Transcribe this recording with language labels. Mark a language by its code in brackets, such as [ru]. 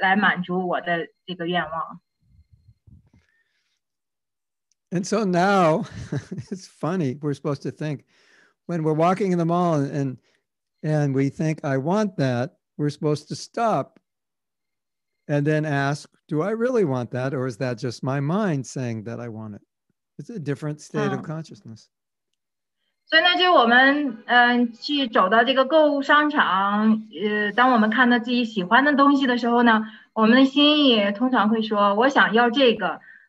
[zh] 那这样的话呢，我们就认为，嗯，是我的，我需要来满足我的这个愿望。 [en] And so now, it's funny, we're supposed to think, when we're walking in the mall and we think, I want that, we're supposed to stop and then ask, do I really want that? Or is that just my mind saying that I want it? It's a different state of consciousness. [zh] 所以呢，就我们去走到这个购物商场，当我们看到自己喜欢的东西的时候呢，我们的心也通常会说，我想要这个。